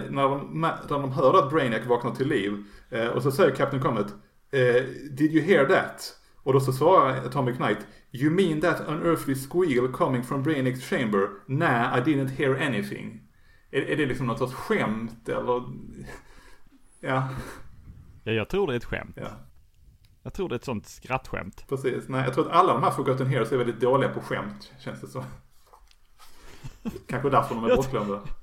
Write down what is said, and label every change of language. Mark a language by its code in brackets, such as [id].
[sv] När de hör att Brainiac vaknar till liv. Och så säger Captain Comet, [en] did you hear that? [sv] Och då så svarar Atomic Knight, [en] you mean that unearthly squeal coming from Brainiac's chamber? Nah, I didn't hear anything. [sv] Är det liksom något sorts skämt? Eller? Ja. Ja, jag tror det är ett skämt. Ja. Jag tror det är ett sånt skrattskämt. Precis. Nej, jag tror att alla de här Forgotten Heroes är väldigt dåliga på skämt, känns det så. Kanske därför de är bortglömda.